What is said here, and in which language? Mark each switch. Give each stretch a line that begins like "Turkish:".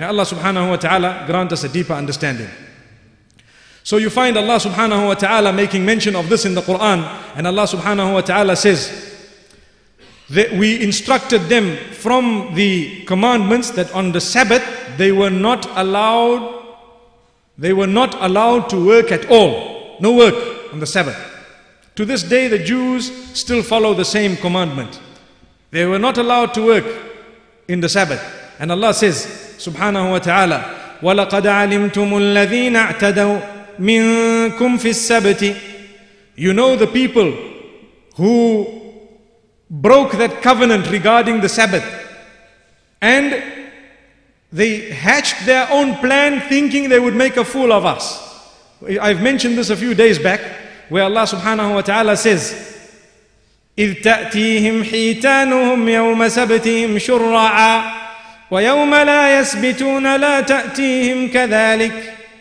English: May Allah subhanahu wa ta'ala grant us a deeper understanding. So you find Allah subhanahu wa ta'ala making mention of this in the Quran, and Allah subhanahu wa ta'ala says that we instructed them from the commandments that on the Sabbath they were not allowed to work at all. No work on the Sabbath. To this day the Jews still follow the same commandment. They were not allowed to work in the Sabbath. And Allah says subhanahu wa ta'ala,
Arabic: وَلَقَدْ عَلِمْتُمُ الَّذِينَ اَعْتَدَوْا مِنْكُمْ فِي السَّبْتِ.
English: You know the people who broke that covenant regarding the Sabbath, and they hatched their own plan thinking they would make a fool of us. I've mentioned this a few days back, where Allah subhanahu wa ta'ala says,
Arabic: إِذْ تَأْتِيهِمْ حِيتَانُهُمْ يَوْمَ سَبْتِهِمْ شُرَّعًا وَيَوْمَ لَا يَسْبِتُونَ لَا تَأْتِيهِمْ كَذَلِكَ.